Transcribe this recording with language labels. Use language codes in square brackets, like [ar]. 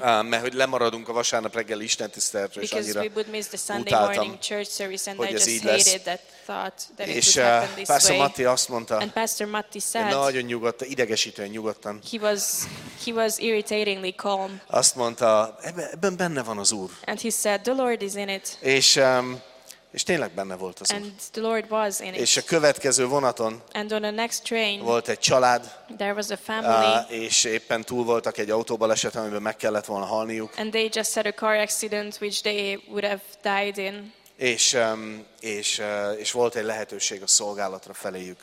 [hu] Mert hogy lemaradunk a vasárnap reggeli istentiszteletre, és annyira utáltam, hogy ez így lesz. És Pastor Matti azt mondta, nagyon nyugodtan, idegesítően nyugodtan. [en] He was irritatingly calm. [hu] Azt mondta, ebben benne van az Úr. [en] And he said, the Lord is in it. [hu] És tényleg benne volt az Úr. És a következő vonaton [en] train, [hu] volt egy család, [en] there was a family, [hu] és éppen túl voltak egy autóbaleseten, amiben meg kellett volna halniuk. [en] And they just had a car accident which they would have died in. [hu] És volt egy lehetőség a szolgálatra feléjük.